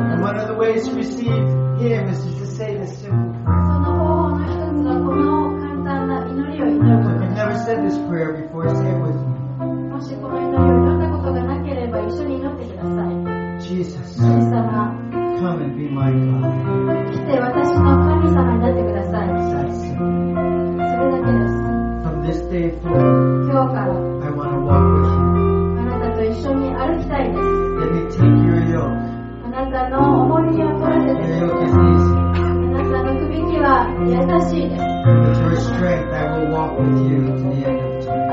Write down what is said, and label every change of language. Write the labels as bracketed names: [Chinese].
[English] One of the ways to receive him is to say this simple prayer. [Japanese] その方法の一つはこの簡単な祈りを祈る。 [English] If you've never said this prayer before, say it with me. [Japanese] もしこの祈りを祈ったことがなければ一緒に祈ってください。 [English] Jesus, come and be my God. [Japanese] 来て私の神様になってください。それだけです。 [English] From this day forward, [Japanese] 今日から [English] I want to walk with you. [Japanese] あなたと一緒に歩きたいです。 [English] Let me take your yoke. [Japanese] あなたの重荷を取らせてください。あなたの首輝は優しいです。 [English] With your strength, I will walk with you to the end of time.